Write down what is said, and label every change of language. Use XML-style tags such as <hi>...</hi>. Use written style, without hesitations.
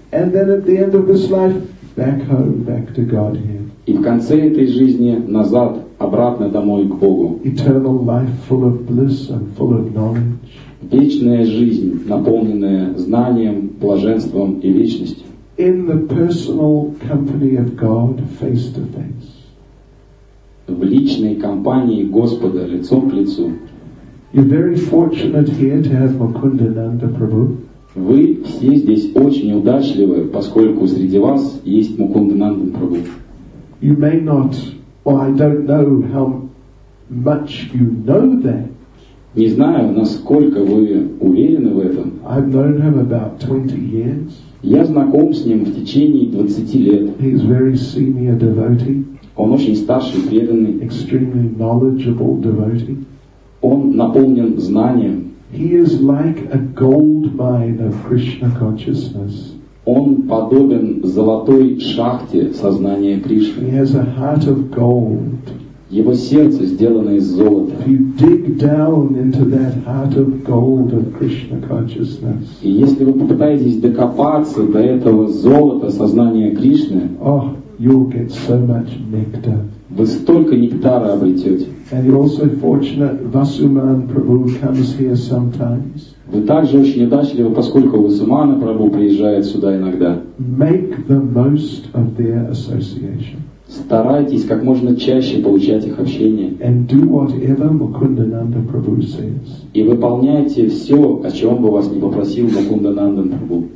<en>And then at the end of this life, back home, back to Godhead.</en> <ru>И в конце этой жизни назад, обратно домой к Богу.</ru> <en>Eternal life full of bliss and full of knowledge.</en> <ru>Вечная жизнь, наполненная знанием, блаженством и вечностью.</ru> <en>In the personal company of God, face to face.</en> <ru>В личной компании Господа, лицом к лицу.</ru> <en>You're very fortunate here to have Mukunda Nanda Prabhu.</en> <ru>Вы все здесь очень удачливы, поскольку среди вас есть Мукунда Нанда Прабху.</ru> <en>You may not, or I don't know how much you know that.</en> <ru>Не знаю, насколько вы уверены в этом.</ru> <en>I've known him about 20 years.</en> <ru>Я знаком с ним в течение 20 лет.</ru> <en>He's very senior devotee.</en> <ru>Он очень старший преданный.</ru> <en>Extremely knowledgeable devotee.</en> <ru>Он наполнен знанием.</ru> <en>He is like a gold mine of Krishna consciousness.</en> <ru>Он подобен золотой шахте сознания Кришны.</ru> <en>He has a heart of gold.</en> <ru>Его сердце сделано из золота.</ru> <en>If you dig down into that heart of gold of Krishna consciousness.</en> <ru>И если вы попытаетесь докопаться до этого золота сознания Кришны,</ru> <en>oh, you'll get so much nectar.</en> <ru>Вы столько нектара обретете.</ru> <en>And you're also fortunate, Vasuman Prabhu comes here sometimes.</en> <ru>Вы также очень удачливы, поскольку Васумана Прабху приезжает сюда иногда.</ru> <en>Make the most of their association.</en> <ru>Старайтесь как можно чаще получать их общение.</ru> <en>And do whatever Mukundananda Prabhu says.</en> <ru>И выполняйте все, о чем бы вас ни попросил Мукундананден Прабху.</ru>